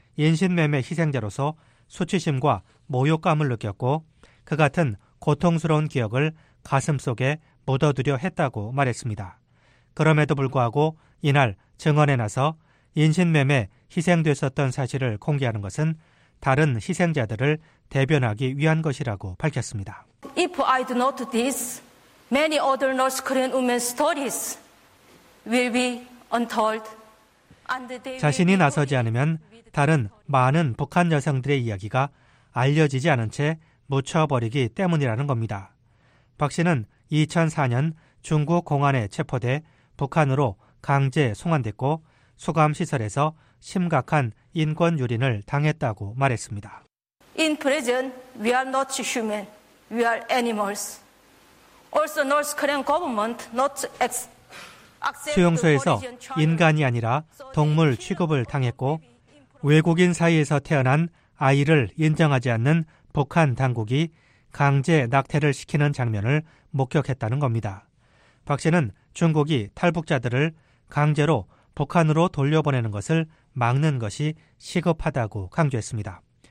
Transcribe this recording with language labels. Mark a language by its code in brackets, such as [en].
[ko] 인신매매 희생자로서 수치심과 모욕감을 느꼈고 그 같은 고통스러운 기억을 가슴속에 묻어두려 했다고 말했습니다. 그럼에도 불구하고 이날 증언에 나서 인신매매 희생됐었던 사실을 공개하는 것은 다른 희생자들을 대변하기 위한 것이라고 밝혔습니다. [en] If I do not this, many other North Korean women's stories will be untold. [ko] 자신이 나서지 않으면 다른 많은 북한 여성들의 이야기가 알려지지 않은 채 묻혀버리기 때문이라는 겁니다. 박 씨는 2004년 중국 공안에 체포돼 북한으로 강제 송환됐고 수감시설에서 심각한 인권 유린을 당했다고 말했습니다. [en] In prison, we are not human, we are animals. Also, North Korean government not accept. [ko] 수용소에서 인간이 아니라 동물 취급을 당했고 외국인 사이에서 태어난 아이를 인정하지 않는 북한 당국이 강제 낙태를 시키는 장면을 목격했다는 겁니다. 박 씨는 중국이 탈북자들을 강제로 북한으로 돌려보내는 것을 막는 것이 시급하다고 강조했습니다.